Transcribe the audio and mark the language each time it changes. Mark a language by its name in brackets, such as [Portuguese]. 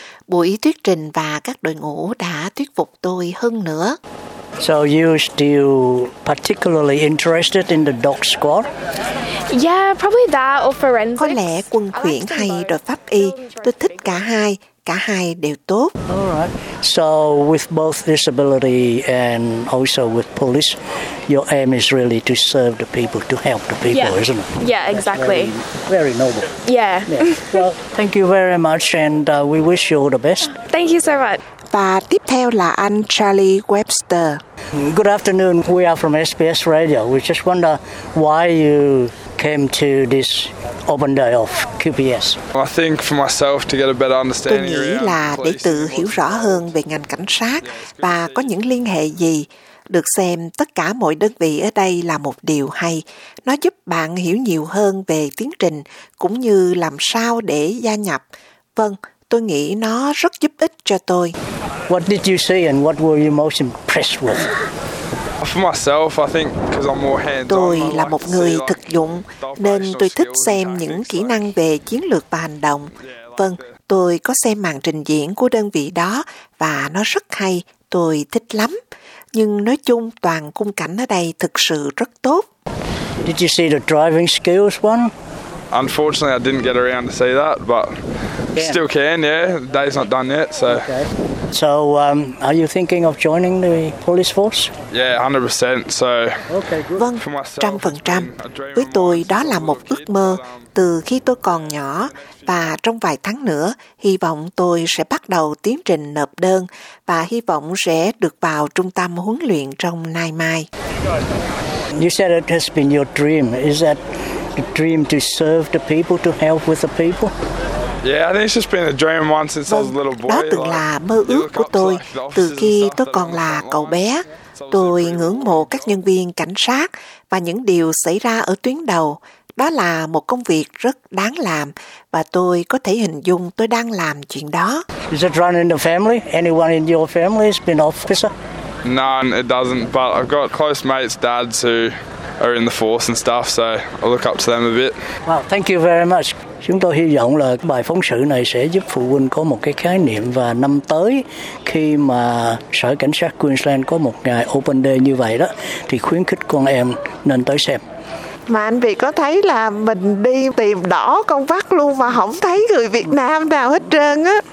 [Vietnamese] Buổi thuyết trình và các đội ngũ đã thuyết phục tôi hơn nữa. [English] So you still particularly interested in the dog squad? Yeah, probably that or forensics. [Vietnamese] Có lẽ quân khuyển hay đội pháp y. Tôi thích cả hai. Cả hai đều tốt. [English] All right. So with both disability and also with police, your aim is really to serve the people, to help the people, yeah. Isn't it? Yeah, exactly. Very, very noble. Yeah. Well, thank you very much and we wish you all the best. Thank you so much. [Vietnamese] Và tiếp theo là anh Charlie Webster. [English] Good afternoon. We are from SBS Radio. We just wonder why you came to this open day of QPS. I think for myself to get a better understanding. [Vietnamese] Tôi nghĩ là để tự hiểu rõ hơn về ngành cảnh sát và có những liên hệ gì. Được xem tất cả mọi đơn vị ở đây là một điều hay. Nó giúp bạn hiểu nhiều hơn về tiến trình cũng như làm sao để gia nhập. Vâng, tôi nghĩ nó rất giúp ích cho tôi. [English] What did you see and what were you most impressed with? For myself, I think, 'cause I'm more hands-on. [Vietnamese] Tôi là một người thực dụng, nên tôi thích xem những kỹ năng về chiến lược và hành động. Vâng, tôi có xem màn trình diễn của đơn vị đó và nó rất hay, tôi thích lắm. Nhưng nói chung, toàn khung cảnh ở đây thực sự rất tốt. [English] Did you see the driving skills one? Unfortunately, I didn't get around to see that, but still can, yeah. The day's not done yet, so. So, are you thinking of joining the police force? Yeah, 100%. So, [Vietnamese] vâng, 100%. Với tôi, đó là một ước mơ từ khi tôi còn nhỏ. Và trong vài tháng nữa, hy vọng tôi sẽ bắt đầu tiến trình nộp đơn và hy vọng sẽ được vào trung tâm huấn luyện trong nay mai. [English] You said it has been your dream. Is that the dream to serve the people, to help with the people? Yeah, I think it's just been a dream once since I was a little boy. [Vietnamese] Đó từng là mơ ước của tôi từ khi tôi còn là cậu bé. Tôi ngưỡng mộ các nhân viên cảnh sát và những điều xảy ra ở tuyến đầu. Đó là một công việc rất đáng làm và tôi có thể hình dung tôi đang làm chuyện đó. [English] Is it run in the family? Anyone in your family has been officer? None, it doesn't. But I've got close mates, dads who are in the force and stuff, so I look up to them a bit. Well, thank you very much. [Vietnamese] Chúng tôi hy vọng là bài phóng sự này sẽ giúp phụ huynh có một cái khái niệm và năm tới khi mà Sở Cảnh sát Queensland có một ngày open day như vậy đó thì khuyến khích con em nên tới xem. Mà anh Việt có thấy là mình đi tìm đỏ con vắt luôn mà không thấy người Việt Nam nào hết trơn á.